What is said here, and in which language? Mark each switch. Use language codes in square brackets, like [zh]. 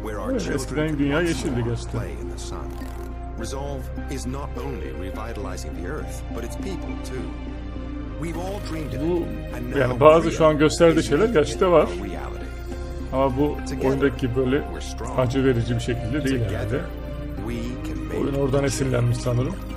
[tr] Evet, eskiden dünya yeşildi gerçekten. [en] Resolve is not only revitalizing the earth, but its people too. We've all dreamed it. [tr] Yani bazı şu an gösterdiği şeyler gerçekte var. Ama bu oyundaki böyle acı verici bir şekilde değil herhalde. Oyun oradan esinlenmiş sanırım.